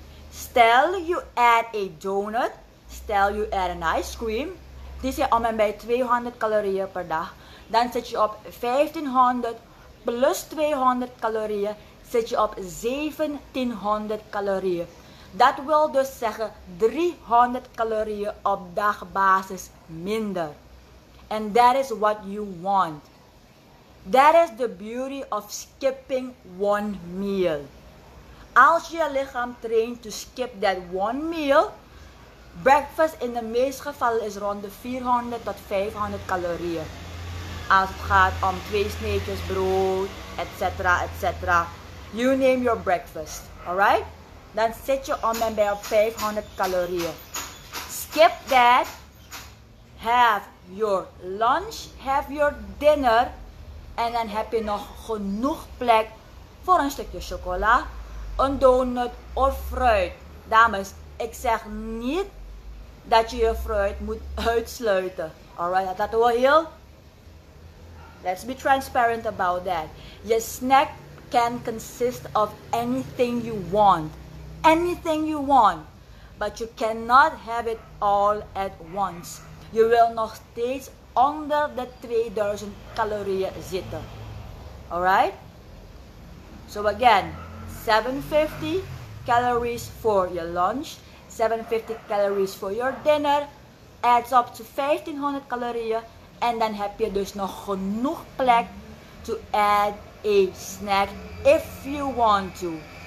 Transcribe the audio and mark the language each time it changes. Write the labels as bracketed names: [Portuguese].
[Dutch] Stel [English] you add a donut, [Dutch] stel [English] you add an ice cream, [Dutch] die zijn om en bij 200 calorieën per dag. Dan zit je op 1500 plus 200 calorieën, zit je op 1700 calorieën. Dat wil dus zeggen 300 calorieën op dagbasis minder. [English] And that is what you want. That is the beauty of skipping one meal. [Dutch] Als je lichaam traint [English] to skip that one meal, [Dutch] breakfast in de meeste gevallen is rond de 400 tot 500 calorieën. Als het gaat om 2 sneetjes brood, etc., etc. [English] You name your breakfast, alright? [Dutch] Dan zit je om en bij op 500 calorieën. [English] Skip that. Have your lunch. Have your dinner. [Dutch] En dan heb je nog genoeg plek voor een stukje chocola, een donut of fruit. Dames, ik zeg niet dat je je fruit moet uitsluiten. [English] Alright, [Dutch] dat wel heel. [English] Let's be transparent about that. Je snack can consist of anything you want. Anything you want, but you cannot have it all at once. [Dutch] Je wil nog steeds onder de 2000 calorieën zitten. [English] Alright? So again, 750 calories for your lunch, 750 calories for your dinner, adds up to 1500 calorieën, [Dutch] en dan heb je dus nog genoeg plek [English] to add a snack if you want to.